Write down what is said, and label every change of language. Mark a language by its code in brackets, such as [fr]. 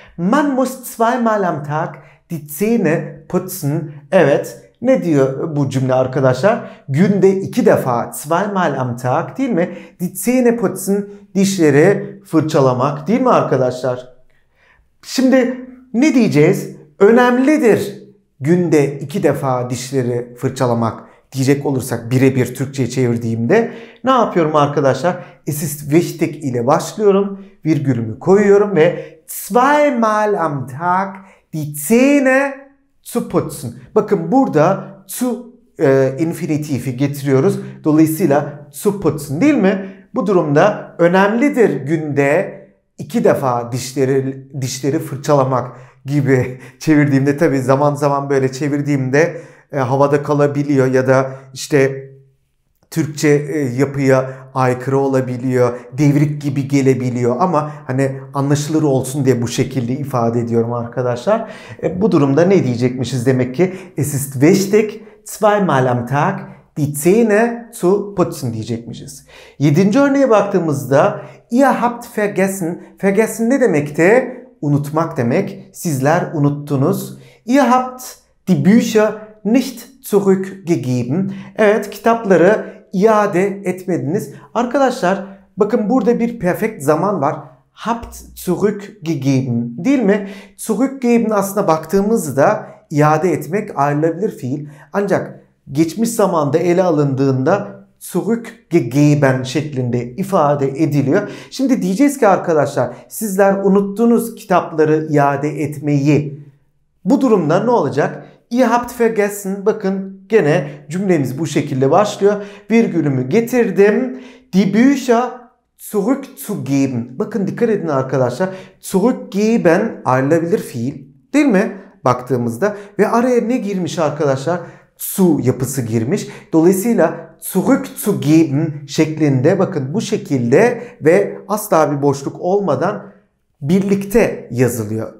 [de] Man muss zweimal am Tag die Zähne putzen. [tr] Evet. Ne diyor bu cümle arkadaşlar? Günde iki defa [de] zweimal am Tag [tr] değil mi? [de] Die Zähne putzen. Dişleri fırçalamak. [tr] Değil mi arkadaşlar? Şimdi ne diyeceğiz? Önemlidir günde iki defa dişleri fırçalamak diyecek olursak birebir Türkçe'ye çevirdiğimde ne yapıyorum arkadaşlar? [de] Es ist wichtig [tr] ile başlıyorum, virgülümü koyuyorum ve [de] zweimal am Tag die Zähne zu putzen. [tr] Bakın burada zu infinitifi getiriyoruz. Dolayısıyla [de] zu putzen [tr] değil mi? Bu durumda önemlidir günde iki defa dişleri fırçalamak gibi çevirdiğimde tabii zaman zaman böyle çevirdiğimde havada kalabiliyor ya da işte Türkçe yapıya aykırı olabiliyor, devrik gibi gelebiliyor ama hani anlaşılır olsun diye bu şekilde ifade ediyorum arkadaşlar. Bu durumda ne diyecekmişiz demek ki? [de] Es ist wichtig zweimal am Tag die Zähne zu putzen diyecekmişiz. [tr] Yedinci örneğe baktığımızda [de] ihr habt vergessen. [tr] Vergessen ne demekti? Unutmak demek. Sizler unuttunuz. [de] Ihr habt die Bücher nicht zurückgegeben. [tr] Evet, kitapları iade etmediniz. Arkadaşlar, bakın burada bir perfekt zaman var. [de] Habt zurückgegeben. [tr] Değil mi? Zurückgeben aslında baktığımızda iade etmek ayrılabilir fiil. Ancak geçmiş zamanda ele alındığında zurückgegeben şeklinde ifade ediliyor. Şimdi diyeceğiz ki arkadaşlar sizler unuttunuz kitapları iade etmeyi. Bu durumda ne olacak? [de] Ihr habt vergessen. [tr] Bakın gene cümlemiz bu şekilde başlıyor. Virgülümü getirdim. [de] Die Bücher zurückzugeben. [tr] Bakın dikkat edin arkadaşlar. Zurückgeben ayrılabilir fiil. Değil mi? Baktığımızda. Ve araya ne girmiş arkadaşlar? Zu yapısı girmiş. Dolayısıyla zurückzugeben şeklinde bakın bu şekilde ve asla bir boşluk olmadan birlikte yazılıyor.